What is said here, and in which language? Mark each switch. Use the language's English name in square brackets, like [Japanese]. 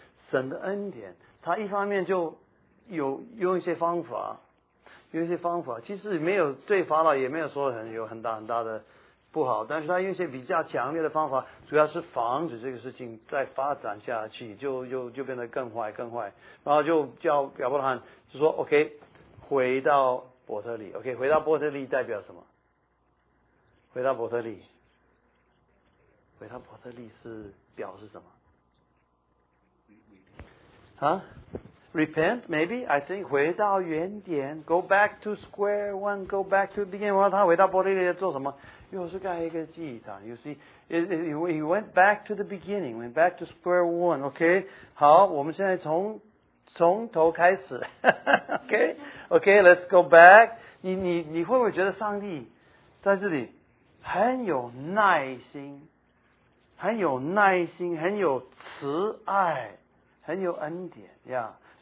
[Chinese] 神的恩典，他一方面就有用一些方法，其实没有对法老也没有说有很大的不好，但是他用一些比较强烈的方法，主要是防止这个事情再发展下去，就变得更坏，然后就叫亚伯拉罕就说 OK， 回到伯特利 ，OK， 回到伯特利代表什么？回到伯特利。回到伯特利是表示什么？ [English] 啊 ？Repent maybe I think [Chinese] 回到原点 [English] ，Go back to square one, go back to begin。 [Chinese] 然后他回到伯特利做什么？又是盖一个祭坛。 [English] You see, he went back to the beginning, went back to square one. [Chinese] OK， 好，我们现在从头开始。 [English] OK, let's go back 你。 [Chinese] 你会不会觉得上帝在这里很有耐心？很有耐心，很有慈爱，很有恩典呀。Yeah.